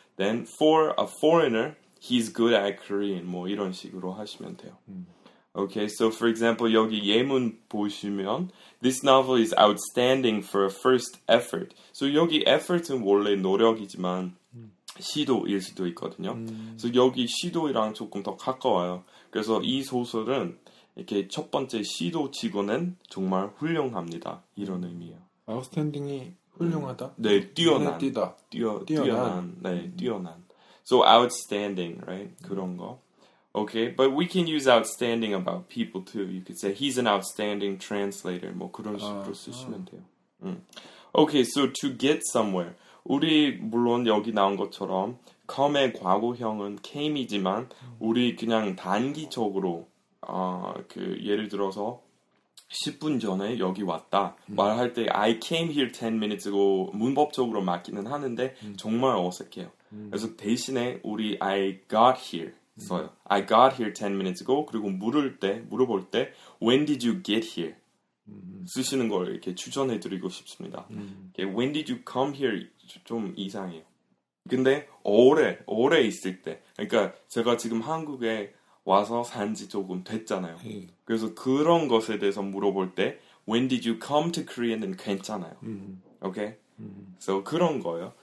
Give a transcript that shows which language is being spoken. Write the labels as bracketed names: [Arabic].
[English] Then, for a foreigner, he's good at Korean. [Korean] 뭐 이런 식으로 하시면 돼요. [English] Okay, so for example, [Korean] 여기 예문 보시면 [English] This novel is outstanding for a first effort. [Korean] So, 여기 effort은 원래 노력이지만 시도일 수도 있거든요. So, 여기 시도랑 조금 더 가까워요. 그래서 이 소설은 이렇게 첫 번째 시도 치고는 정말 훌륭합니다. 이런 의미예요. Outstanding이 훌륭하다? 네, 뛰어난. 뛰다. 뛰어난. 네, 뛰어난. [English] So outstanding, right? [Korean] 그런 거. [English] Okay, but we can use outstanding about people too. You could say he's an outstanding translator. [Korean] 뭐 그런 식으로 쓰시면 돼요. [English] Okay, so to get somewhere. [Korean] 우리 물론 여기 나온 것처럼 come의 과거형은 came이지만 우리 그냥 단기적으로 예를 들어서 10분 전에 여기 왔다 말할 때 [English] I came here 10 minutes ago [Korean] 문법적으로 맞기는 하는데 정말 어색해요. 그래서 대신에 우리 [English] I got here [Korean] 써요. [English] I got here 10 minutes ago [Korean] 그리고 물어볼 때 [English] When did you get here? [Korean] 쓰시는 걸 이렇게 추천해 드리고 싶습니다. [English] When did you come here? 좀 이상해요. [Korean] 근데 오래 있을 때 그러니까 제가 지금 한국에 와서 산 지 조금 됐잖아요. 그래서 그런 것에 대해서 물어볼 때 [English] When did you come to Korea [Korean] 는 괜찮아요. [English] Okay? So [Korean] 그런 거예요.